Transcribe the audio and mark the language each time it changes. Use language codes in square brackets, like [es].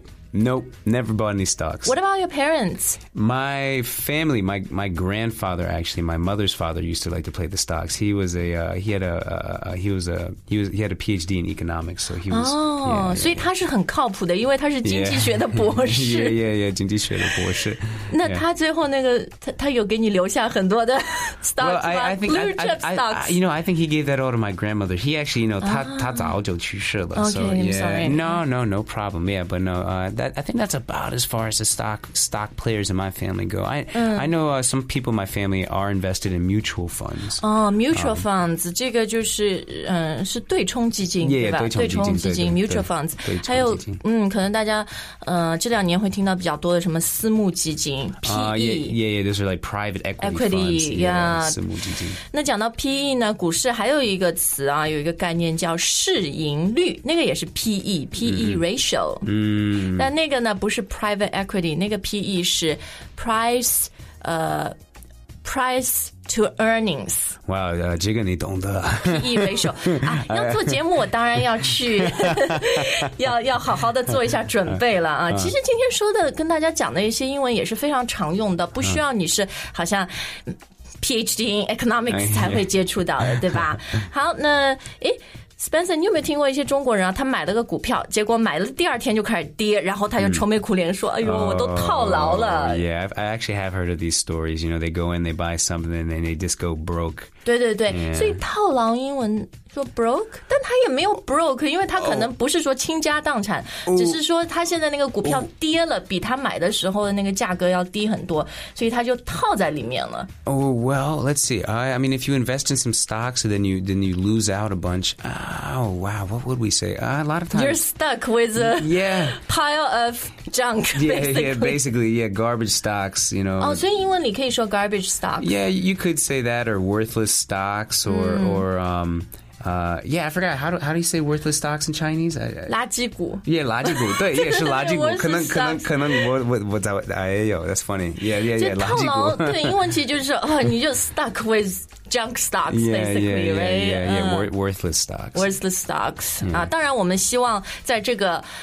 [en] Nope, never bought any stocks. What about your parents? My family, my grandfather, actually, my mother's father used to like to play the stocks. He was a, he had a PhD in economics, so he was, so he is [zh] 很靠谱的因为他是经济学的博士 Yeah, 经济学的博士。那他最后那个他有给你留下很多的 stocks [en] Well, I think, blue chip stocks. You know, I think he gave that all to my grandmother. He actually, you know, [zh] 他早就去世了 [en] Okay, so, sorry. No problem. Yeah, but no, I think that's about as far as the stock players in my family go. I know some people in my family are invested in mutual funds. [zh] Oh, mutual funds. 这个就是是对冲基金 [en] yeah, [zh] 对吧？对冲基金 mutual funds. 还有可能大家这两年会听到比较多的什么私募基金 PE. [en] Yeah, those are like private equity funds. Yeah, 私募基金。 [zh] 那讲到 PE 呢，股市还有一个词啊，有一个概念叫市盈率，那个也是 PE PE ratio. 但那个呢不是 private equity 那个 PE 是 price to earnings 哇、wow, 这个你懂得 PE ratio 、啊、要做节目我当然要去要好好的做一下准备了啊。其实今天说的跟大家讲的一些英文也是非常常用的不需要你是好像 [en] PhD in economics [zh] 才会接触到的对吧好那诶 Spencer, 你有没有听过一些中国人啊？他买了个股票，结果买了第二天就开始跌，然后他就愁眉苦脸说：“哎呦，我都套牢了。” [en] Yeah, I actually have heard of these stories. You know, they go in, they buy something, and they just go broke. [zh] 对对对， yeah. 所以套牢英文说 broke， 但他也没有 broke， 因为他可能不是说倾家荡产， oh. 只是说他现在那个股票跌了， oh. 比他买的时候的那个价格要低很多，所以他就套在里面了。 [en] Oh well, let's see. I mean, if you invest in some stocks, then you lose out a bunch. Oh wow, what would we say? A lot of times you're stuck with a pile of junk. Basically, garbage stocks. You know. Oh, so in English, you can say garbage stock. Yeah, you could say that, or worthless stocks, or. I forgot. How do you say worthless stocks in Chinese? [zh] 垃圾股 Yeah, 垃圾股对，也是垃圾股。可能我哎呦 ， [en] That's funny. [zh] Yeah. 垃圾股对，英文其实就是你就 stuck with junk stocks, [en] basically, right? Worthless stocks. Worthless stocks. [zh] 啊，当然我们希望在这个。